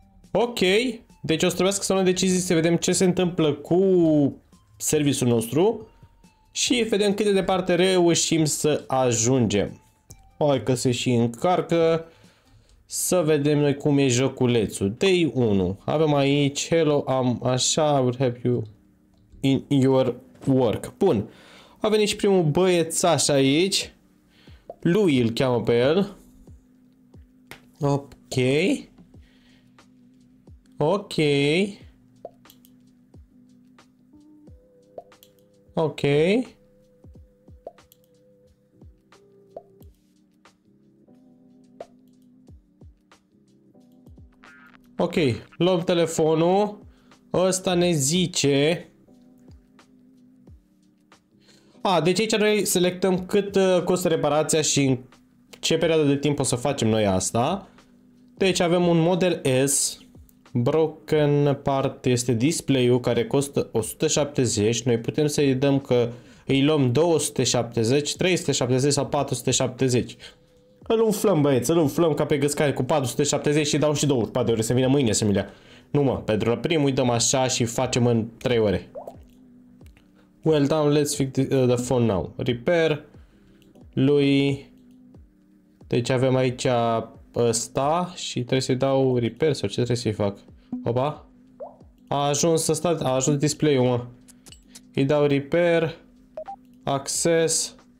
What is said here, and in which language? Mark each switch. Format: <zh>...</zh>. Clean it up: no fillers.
<ro>Ok. Deci o să trebuiască să luăm decizii, să vedem ce se întâmplă cu serviciul nostru și vedem cât de departe reușim să ajungem. Hai că se și încarcă, să vedem noi cum e joculețul.</ro> <en>Day 1.</en> <ro>Avem aici,</ro> <en>hello,</en> <ro>așa,</ro> <en>I would help you in your work.</en> <ro>Bun. A venit și primul băiețaș aici. Lui îl cheamă pe el. Ok. Ok. Ok. Ok, luăm telefonul. Ăsta ne zice. Deci aici noi selectăm cât costă reparația și în ce perioadă de timp o să facem noi asta. Deci avem un Model S.</ro> <en>Broken part</en> <ro>este display-ul, care costă 170. Noi putem să-i dăm că îi luăm 270, 370 sau 470. Îl umflăm, băieți, îl umflăm ca pe găscare cu 470 și dau și 24 de ore să vină mâine să-mi le ia. Nu mă, pentru primul îi dăm așa și facem în 3 ore.</ro> <en>Well done, let's fix the phone now.</en> <ro>Repair lui. Deci avem aici ăsta și trebuie să-i dau repair sau ce trebuie să-i fac? Opa. A ajuns display-ul, mă. Îi dau repair, access.</ro>